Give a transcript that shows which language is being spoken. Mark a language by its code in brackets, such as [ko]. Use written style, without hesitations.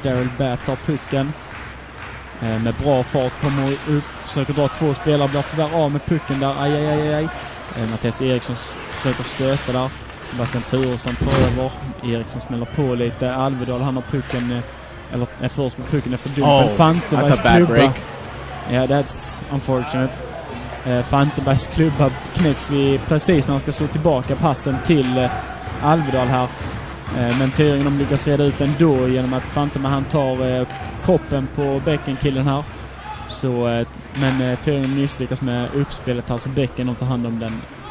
[sv] Daryl Bat tar pucken. Med bra fart kommer upp. Försöker dra två spelare. Blir tyvärr av med pucken där. Aj, aj, aj, aj. Mattias Eriksson försöker stöta där. Sebastian Turesson tar över. Eriksson smäller på lite. Alvedal han har pucken. Eller är först med pucken efter dumpen. Oh, Fantebergs [en] that's a bad [sv] klubba. [en] Break. Yeah, that's unfortunate. [sv] Fantebergs klubba knäcks vi precis när han ska slå tillbaka passen till Alvedal här. Men Tyringen lyckas reda ut ändå genom att Fanteberg han tar kroppen på bäckenkillen här. Så, men Tyringen misslyckas med uppspelet här så bäcken tar hand om den.